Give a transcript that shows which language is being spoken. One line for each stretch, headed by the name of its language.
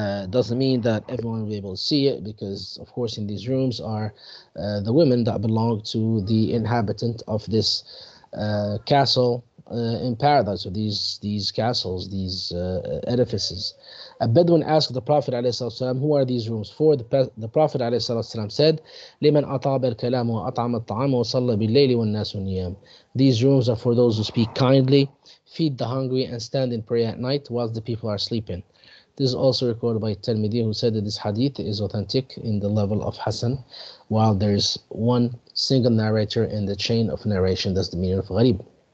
English: Doesn't mean that everyone will be able to see it, because of course in these rooms are the women that belong to the inhabitant of this castle in paradise, or these castles, these edifices. A Bedouin asked the Prophet ﷺ, "Who are these rooms for?" The Prophet ﷺ said,
Arabic: "لمن أطاب الكلام وأطعم الطعام وصلى بالليل والناس النيام."
English: These rooms are for those who speak kindly, feed the hungry, and stand in prayer at night whilst the people are sleeping. This is also recorded by Tirmidhi, who said that this hadith is authentic in the level of Hassan, while there is one single narrator in the chain of narration, that's the meaning of Gharib.